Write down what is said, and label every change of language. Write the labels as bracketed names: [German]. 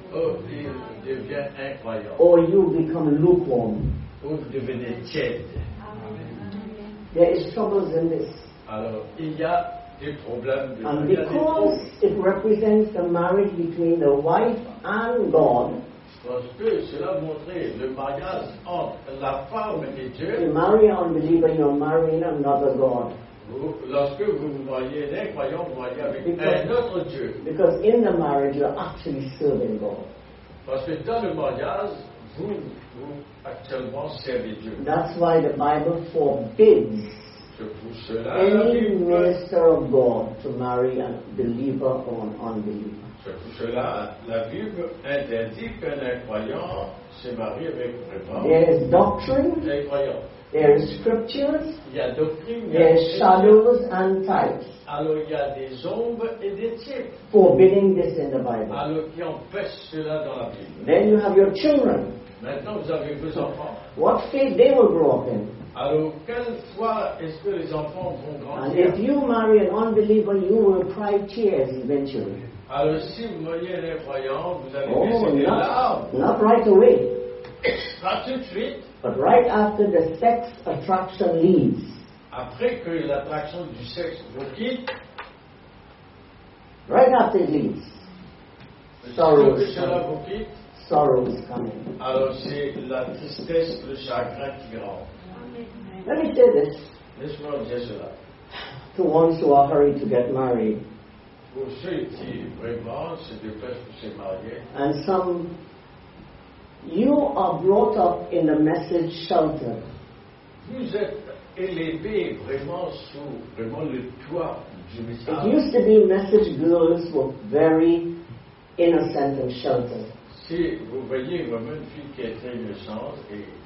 [French] or il devient incroyant, [English] or you become lukewarm, [French] ou vous devenez tiède. [English] There is troubles in this. [French] Alors, il y a des problèmes. [English] And because it represents the marriage between the wife and God, [French] parce que cela montrait le mariage entre la femme et Dieu. [English] You marry an unbeliever, you're marrying another God. [French] Lorsque vous vous mariez, l'incroyant vous mariez avec un autre Dieu. [English] Because in the marriage you are actually serving God. [French] Parce que dans le mariage, vous actuellement servez Dieu. [English] That's why the Bible forbids any minister of God to marry a believer or an unbeliever. [French] C'est pour cela la Bible interdit qu'un incroyant se marie avec un croyant. [English] There is doctrine. There are scriptures, there are shadows and types. [French] Alors, il y a des ombres et des types. [English] Forbidding this in the Bible. [French] Alors, qui empêche cela dans la Bible. [English] Then you have your children. [French] Maintenant, vous avez vos enfants. [English] What faith they will grow up in. [French] Alors, quelle foi est-ce que les enfants vont grandir? [English] And if you marry an unbeliever, you will cry tears eventually. [French] Alors, si vous mariez un incroyant, vous allez verser des larmes. [English] Not right away. Not too sweet. But right after the sex attraction leaves. [French] Après que l'attraction du sexe vous quitte. [English] Right after it leaves. Sorrow is coming. [French] Alors c'est la tristesse, le chagrin qui grand. [English] Let me say this. [French] Laisse-moi dire cela. [English] To ones who are hurried to get married. [French] Pour ceux qui vraiment se dépêchent pour se marier. [English] And some. You are brought up in the message shelter. [French] Vous êtes élevé vraiment sous vraiment le toit du message. [English] It used to be message girls were very innocent and sheltered. [French] Si vous voyez vraiment une fille qui est très innocente et.